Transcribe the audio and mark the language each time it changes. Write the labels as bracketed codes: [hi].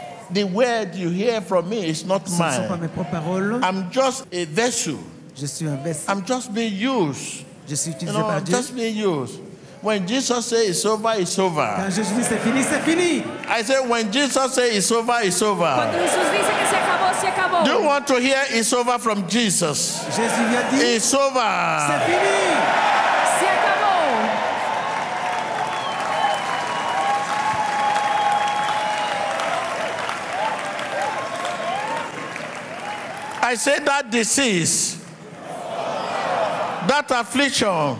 [en] The word you hear from me is not mine. I'm just a vessel. [fr] Je suis un vessel. [en] I'm just being used. [fr] Je suis utilisé, [en] you know, [fr] par [en] I'm [fr] Dieu. [en] Just being used. When Jesus says it's over, it's over. [fr] Quand Jésus dit c'est fini, c'est fini. [en] I say when Jesus says it's over, it's over. [fr] Quand Jésus dit que c'est acabó, c'est acabó. [en] Do you want to hear it's over from Jesus? [fr] Jésus vient dire, [en] it's over. [fr] C'est fini. [en] I say that disease, that affliction,